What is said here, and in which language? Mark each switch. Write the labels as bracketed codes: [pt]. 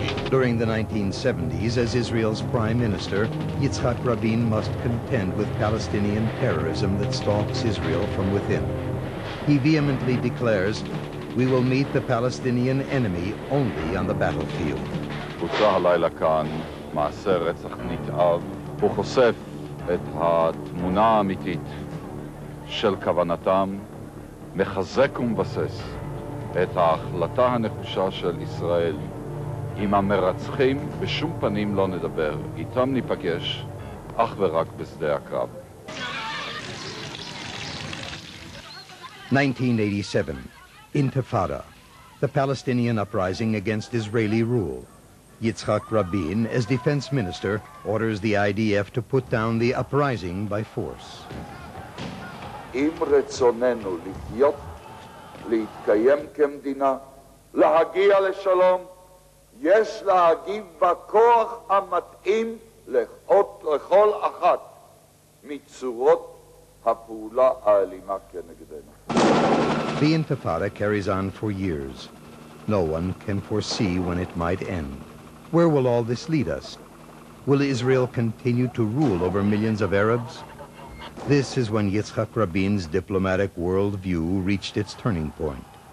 [en] During the 1970s, as Israel's prime minister, Yitzhak Rabin must contend with Palestinian terrorism that stalks Israel from within. He vehemently declares, "We will meet the Palestinian enemy only on the battlefield." [he] בוצע הלילה כאן מעשה רצח נתעב. הוא חושף את התמונה האמיתית של כוונתם, מחזק ומבסס את ההחלטה הנחושה של ישראל. עם המרצחים בשום פנים לא נדבר, איתם ניפגש אך ורק בשדה הקרב. [en] 1987, Intifada, the Palestinian uprising against Israeli rule. Yitzhak Rabin, as defense minister, orders the IDF to put down the uprising by force. [he] אם רצוננו להיות, להתקיים כמדינה, להגיע לשלום, יש להגיב בכוח המתאים לכל אחת מצורות הפעולה האלימה כנגדנו. [en] The Intifada carries on for years. No one can foresee when it might end. Where will all this lead us? Will Israel continue to rule over millions of Arabs? This is when Yitzhak Rabin's diplomatic worldview reached its turning point.